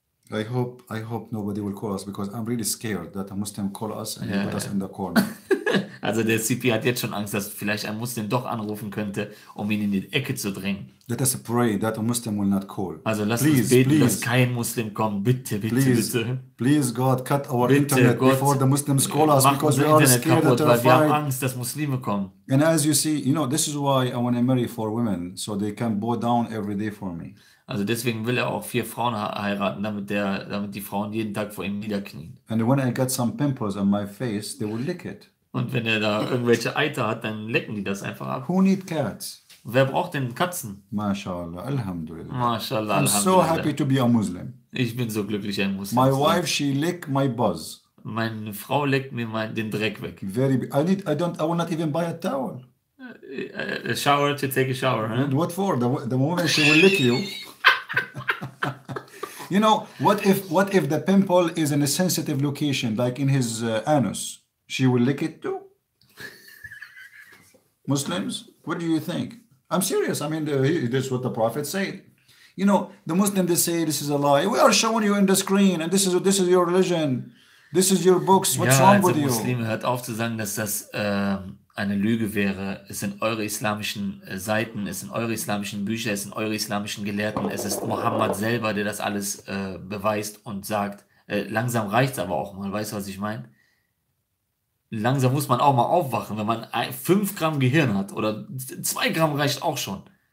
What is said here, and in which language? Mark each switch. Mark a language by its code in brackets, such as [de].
[en] I hope nobody will call us, because I'm really scared that a Muslim call us and put us in the corner. [de] Also der CP hat jetzt schon Angst, dass vielleicht ein Muslim doch anrufen könnte, um ihn in die Ecke zu drängen. [en] Let us pray that a Muslim will not call. [de] Also lass uns beten, dass kein Muslim kommt. Bitte. [en] Please God, cut our internet Gott, before the Muslims call us, because we are scared that they're fighting. [de] Wir haben Angst, dass Muslime kommen. [en] And as you see, you know, this is why I want to marry four women, so they can bow down every day for me. [de] Also deswegen will er auch vier Frauen heiraten, damit die Frauen jeden Tag vor ihm niederknien. [en] And when I got some pimples on my face, they will lick it. [de] Und wenn er da irgendwelche Eiter hat, dann lecken die das einfach ab. [en] Who need cats? [de] Wer braucht denn Katzen? [en] Mashallah, alhamdulillah. Mashallah, I'm so happy to be a Muslim. [de] Ich bin so glücklich, ein Muslim. [en] My wife, she lick my buzz. [de] Meine Frau leckt mir den Dreck weg. [en] Very. I will not even buy a towel. A shower to take a shower, huh? And what for? The moment she will lick you. You know, what if the pimple is in a sensitive location, like in his anus? She will lick it too. Muslims, what do you think? I'm serious. I mean, this is what the Prophet said. You know, the Muslims, they say this is a lie. We are showing you in the screen, and this is your religion. This is your books. What's wrong with you? [de] Muslim, hört auf zu sagen, dass das eine Lüge wäre. Es sind eure islamischen Seiten, es sind eure islamischen Bücher, es sind eure islamischen Gelehrten. Es ist Mohammed selber, der das alles beweist und sagt. Langsam reicht's aber auch mal. Weißt du, was ich meine? Langsam muss man auch mal aufwachen, wenn man 5 Gramm Gehirn hat oder 2 Gramm reicht auch schon.